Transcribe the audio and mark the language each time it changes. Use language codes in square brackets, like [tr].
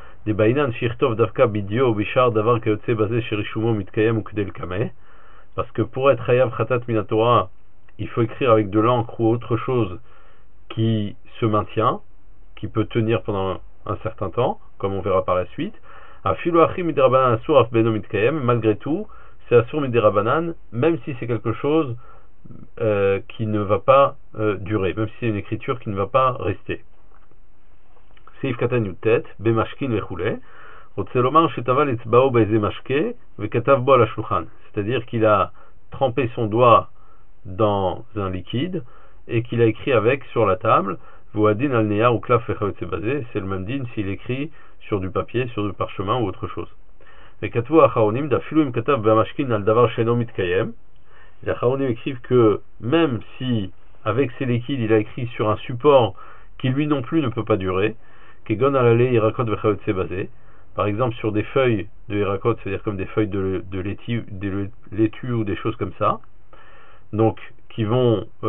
[fr] Parce que pour être Hayav Khatat Minatora, il faut écrire avec de l'encre ou autre chose qui se maintient, qui peut tenir pendant un certain temps, comme on verra par la suite. Malgré tout, c'est Asur Midrabanan, même si c'est quelque chose qui ne va pas durer, même si c'est une écriture qui ne va pas rester. [he] סעיף קטן יוטט, במשקין וכו', רוצה לומר שטבל אצבעו באיזה משקה וכתב בו על השולחן. [fr] C'est-à-dire qu'il a trempé son doigt dans un liquide et qu'il a écrit avec sur la table. [he] והוא הדין על נייר וקלף וכיוצא בזה, [fr] c'est le même din s'il écrit sur du papier, sur du parchemin ou autre chose. [he] וכתבו האחרונים, דאפילו אם כתב במשקין על דבר שאינו מתקיים. [fr] Les האחרונים écrivent que même si avec ses liquides il a écrit sur un support qui lui non plus ne peut pas durer, par exemple sur des feuilles de hirakot, c'est-à-dire comme des feuilles de laitue ou des choses comme ça, donc qui vont